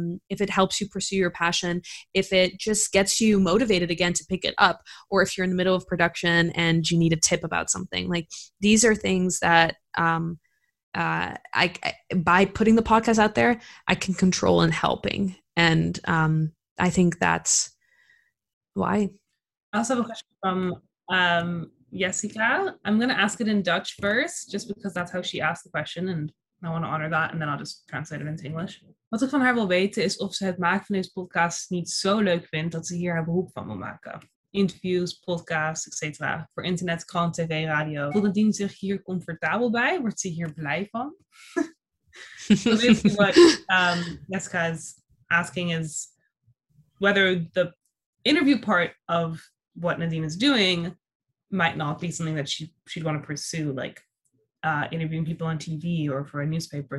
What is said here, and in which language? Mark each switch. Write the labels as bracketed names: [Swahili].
[English] if it helps you pursue your passion, if it just gets you motivated again to pick it up, or if you're in the middle of production and you need a tip about something, like these are things that, by putting the podcast out there, I can control and helping. And I think that's why. I also have a question from Jessica. I'm going to ask it in Dutch first, just because that's how she asked the question, and I want to honor that, and then I'll just translate it into English. [Dutch] Wat ik van haar wil weten is of ze het maken van deze podcast niet zo leuk vindt dat ze hier haar beroep van wil maken. Interviews, podcasts, etc. Voor internet, krant, tv, radio. Voelt het dienst zich hier comfortabel bij? Wordt ze hier blij van? [English] So basically what Jessica is asking is whether the interview part of what Nadine is doing might not be something that she'd want to pursue, like interviewing people on TV or for a newspaper.